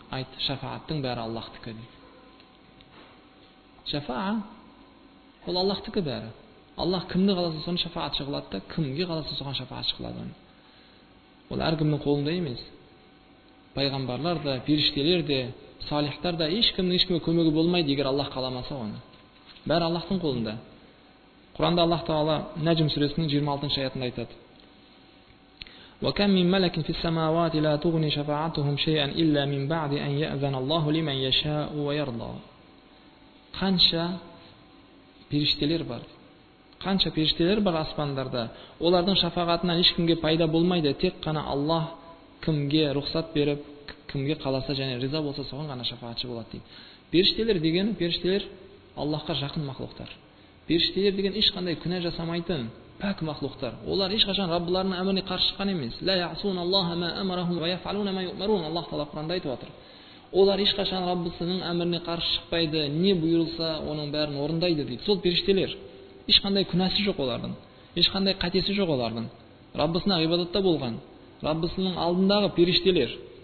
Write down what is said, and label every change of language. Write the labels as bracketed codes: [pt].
[kk] Айт, шафааттың бәрі Аллаһтікі дейді. Шафаа ол Аллаһтікі бәрі. Аллаһ кімді қаласа соны шафаатшы қылады да, кімге қаласа соған шафаатшы қылады. Ол әркімнің қолында емес. Пайғамбарлар да, періштелер де, салихтар да ешкімнің ешкімге көмегі болмайды, егер Аллаһ қаламаса оны. Бәрі Аллаһтың қолында. Құранда Аллаһ тағала Нәжім сүресінің 26-шы аятында айтады: [ar] وَكَمْ مِنْ مَلَكٍ فِي السَّمَاوَاتِ لَا تُغْنِي شَفَاعَتُهُمْ شَيْئًا إِلَّا مِنْ بَعْدِ أَنْ يَأْذَنَ اللَّهُ لِمَنْ يَشَاءُ وَيَرْضَى. [kk] Қанша періштелер бар? Қанша періштелер бар аспандарда? Олардың шафағатынан ешкімге пайда болмайды, тек қана Аллаһ кімге рұқсат беріп, кімге қаласа және риза болса, соған ғана шафаатшы болады дейді. Періштелер деген, періштелер Аллаһқа жақын мақлұқтар. Періштелер деген ешқандай күнә жасамайтын пәк мақлұқтар. Олар ешқашан Раббыларының әміріне қарсы шыққан емес. [ar] لا يعصون الله ما أمرهم ويفعلون ما يؤمرون. [kk] Аллаһ тағала Құранда айтып отыр. Олар ешқашан Раббысының әміріне қарсы шықпайды, не бұйырылса оның бәрін орындайды дейді. Сол періштелер ешқандай күнәсі жоқ олардың. Ешқандай қатесі жоқ олардың. Раббысына ғибадатта болған Раббысының алдындағы періштелер.